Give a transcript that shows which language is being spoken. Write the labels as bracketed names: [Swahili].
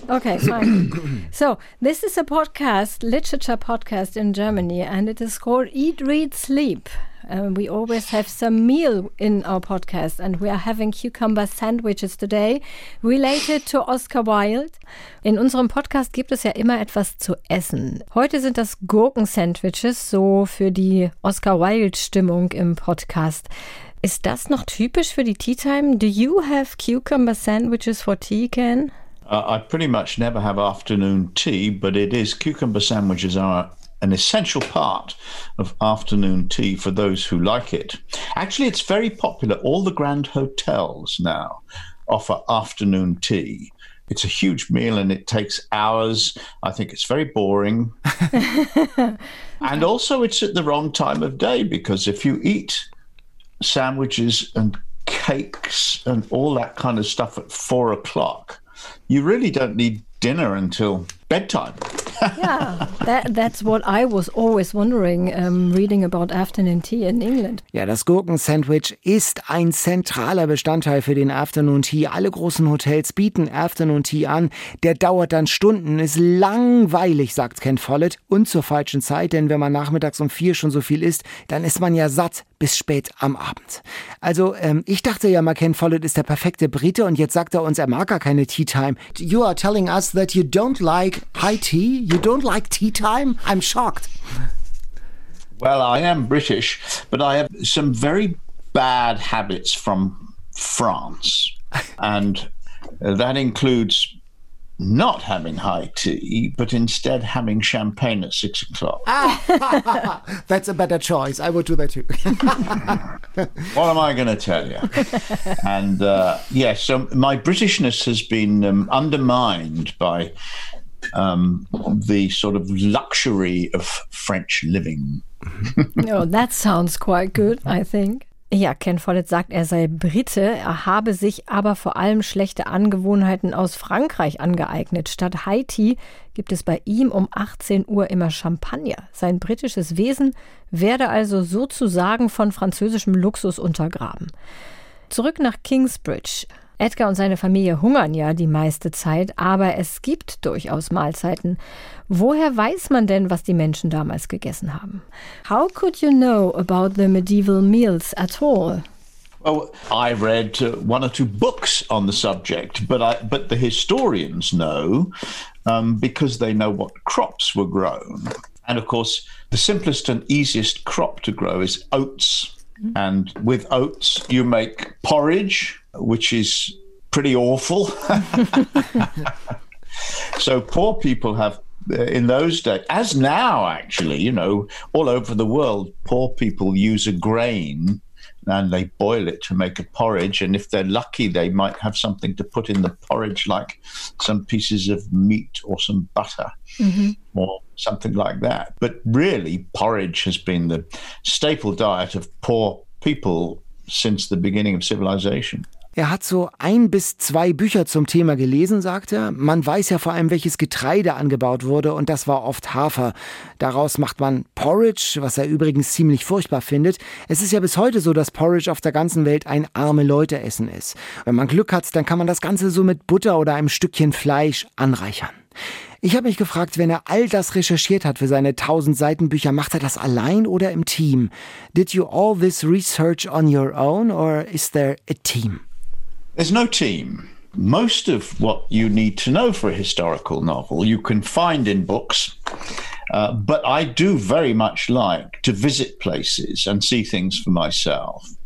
[English] Okay, fine. So, this is a podcast, literature podcast in Germany, and it is called Eat, Read, Sleep. We always have some meal in our podcast, and we are having cucumber sandwiches today, related to Oscar Wilde. [German] In unserem Podcast gibt es ja immer etwas zu essen. Heute sind das Gurken-Sandwiches, so für die Oscar Wilde-Stimmung im Podcast. Ist das noch typisch für die Tea Time? [English] Do you have cucumber sandwiches for tea, Ken? I pretty much never have afternoon tea, but it is cucumber sandwiches are an essential part of afternoon tea for those who like it. Actually, it's very popular. All the grand hotels now offer afternoon tea. It's a huge meal and it takes hours. I think it's very boring. And also it's at the wrong time of day, because if you eat sandwiches and cakes and all that kind of stuff at 4 o'clock, you really don't need dinner until bedtime. Yeah, that's what I was always wondering, reading about afternoon tea in England. [German] Ja, das Gurken-Sandwich ist ein zentraler Bestandteil für den Afternoon Tea. Alle großen Hotels bieten Afternoon Tea an. Der dauert dann Stunden, ist langweilig, sagt Ken Follett, und zur falschen Zeit, denn wenn man nachmittags um 4 schon so viel isst, dann ist man ja satt bis spät am Abend. Also, ich dachte ja mal, Ken Follett ist der perfekte Brite, und jetzt sagt er uns, er mag gar keine Tea Time. [English] You are telling us that you don't like high tea? You don't like tea time? I'm shocked. Well, I am British, but I have some very bad habits from France. And that includes not having high tea, but instead having champagne at 6 o'clock. That's a better choice. I would do that too. What am I going to tell you? And so my Britishness has been undermined by the sort of luxury of French living. Oh, that sounds quite good, I think. [German] Ja, Ken Follett sagt, er sei Brite, er habe sich aber vor allem schlechte Angewohnheiten aus Frankreich angeeignet. Statt High Tea gibt es bei ihm um 18 Uhr immer Champagner. Sein britisches Wesen werde also sozusagen von französischem Luxus untergraben. Zurück nach Kingsbridge. Edgar und seine Familie hungern ja die meiste Zeit, aber es gibt durchaus Mahlzeiten. Woher weiß man denn, was die Menschen damals gegessen haben? [English] How could you know about the medieval meals at all? Well, I read one or two books on the subject, but the historians know, because they know what crops were grown. And of course, the simplest and easiest crop to grow is oats. And with oats, you make porridge, which is pretty awful. So poor people have in those days, as now, actually, you know, all over the world, poor people use a grain and they boil it to make a porridge. And if they're lucky, they might have something to put in the porridge, like some pieces of meat or some butter. Mm-hmm. Or something like that. But really, porridge has been the staple diet of poor people since the beginning of civilization. [German] Er hat so 1 bis 2 Bücher zum Thema gelesen, sagt er. Man weiß ja vor allem, welches Getreide angebaut wurde, und das war oft Hafer. Daraus macht man Porridge, was er übrigens ziemlich furchtbar findet. Es ist ja bis heute so, dass Porridge auf der ganzen Welt ein Arme-Leute-Essen ist. Wenn man Glück hat, dann kann man das Ganze so mit Butter oder einem Stückchen Fleisch anreichern. Ich habe mich gefragt, wenn er all das recherchiert hat für seine 1000 Seiten Bücher, macht er das allein oder im Team? [English] Did you all this research on your own or is there a team? There's no team. Most of what you need to know for a historical novel you can find in books. But I do very much like to visit places and see things for myself.